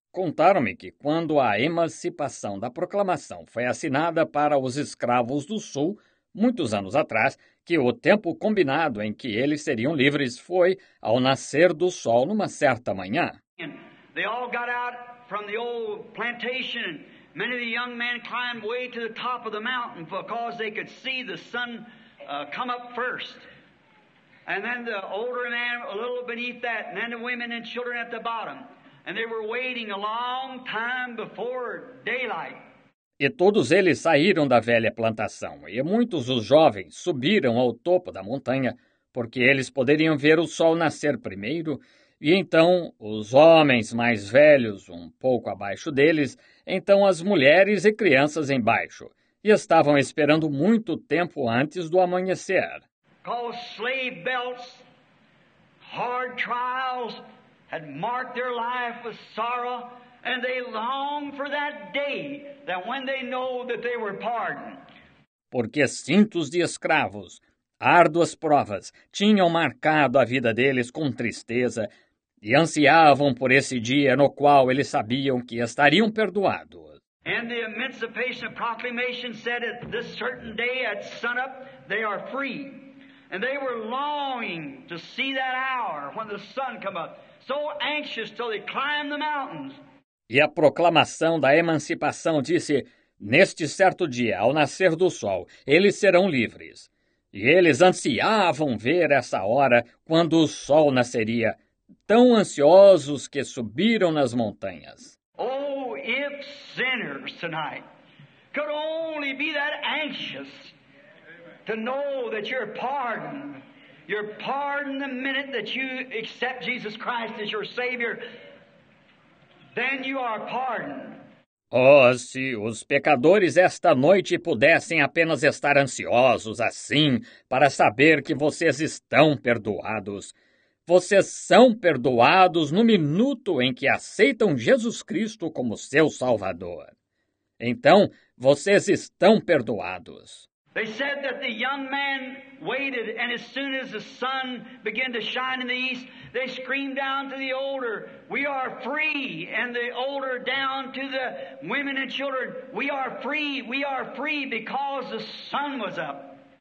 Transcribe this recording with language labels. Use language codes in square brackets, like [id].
[pt] Contaram-me que quando a emancipação da proclamação foi assinada para os escravos do Sul, muitos anos atrás, que o tempo combinado em que eles seriam livres foi ao nascer do sol numa certa manhã. [en] And they all got out from the old plantation, and many of the young men climbed way to the top of the mountain because they could see the sun come up first. And then the older man a little beneath that, and then the women and children at the bottom. And they were waiting a long time before daylight. [pt] E todos eles saíram da velha plantação, e muitos os jovens subiram ao topo da montanha, porque eles poderiam ver o sol nascer primeiro, e então os homens mais velhos um pouco abaixo deles, então as mulheres e crianças embaixo, e estavam esperando muito tempo antes do amanhecer. [en] Called slave belts, hard trials had marked their life with sorrow, and they longed for that day that when they know that they were pardoned. [pt] Porque cintos de escravos, árduas provas, tinham marcado a vida deles com tristeza e ansiavam por esse dia no qual eles sabiam que estariam perdoados. [en] And the emancipation proclamation said at this certain day at sunup they are free. And they were longing to see that hour when the sun come up, so anxious till they climbed the mountains. [pt] E a proclamação da emancipação disse, neste certo dia, ao nascer do sol, eles serão livres. E eles ansiavam ver essa hora quando o sol nasceria, tão ansiosos que subiram nas montanhas. [en] Oh, if sinners tonight could only be that anxious to know that you're pardoned the minute that you accept Jesus Christ as your Savior, then you are pardoned. [pt] Oh, se os pecadores esta noite pudessem apenas estar ansiosos assim para saber que vocês estão perdoados. Vocês são perdoados no minuto em que aceitam Jesus Cristo como seu Salvador. Então, vocês estão perdoados. [en] They said that the young man waited, and as soon as the sun began to shine in the east, they screamed down to the older, "We are free!" And the older down to the women and children, we are free, because the sun was up."